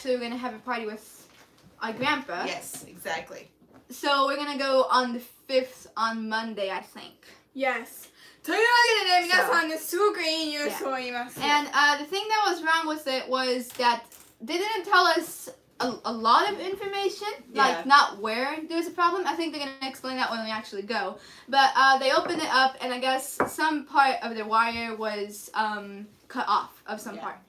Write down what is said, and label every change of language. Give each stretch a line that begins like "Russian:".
English: we're going to have a party with our grandpa. Yes, exactly. So we're gonna go on the 5th on Monday, I think. Yes.
Japanese: というわけでね、皆さんね、すごくいいニュースを言います。
English: And the thing that was wrong with it was that they didn't tell us a lot of information, like not where there's a problem. I think they're gonna explain that when we actually go. But they opened it up and I guess some part of the wire was cut off of some part.